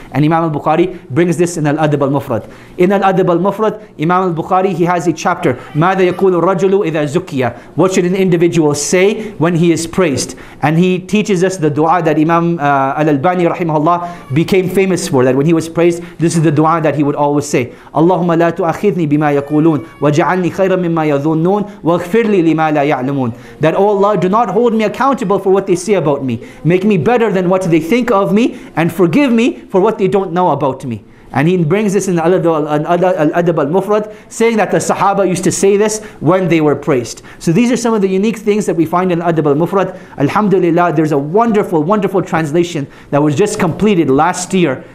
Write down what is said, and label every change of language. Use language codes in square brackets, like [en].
[en] And Imam al-Bukhari brings this in Al-Adab al-Mufrad. In Al-Adab al-Mufrad, Imam al-Bukhari, he has a chapter, [ar] ماذا يقول الرجل إذا زكية? [en] What should an individual say when he is praised? And he teaches us the dua that Imam al-Albani rahimahullah became famous for, that when he was praised, this is the dua that he would always say. [ar] اللهم لا تؤخذني بما يقولون وجعلني خيرا مما يظنون واغفر لي لما لا يعلمون. [en] That, oh Allah, do not hold me accountable for what they say about me. Make me better than what they think of me, and forgive me for what they don't know about me. And he brings this in Al-Adab Al-Mufrad, saying that the Sahaba used to say this when they were praised. So these are some of the unique things that we find in Al-Adab Al-Mufrad. Alhamdulillah, there's a wonderful, wonderful translation that was just completed last year.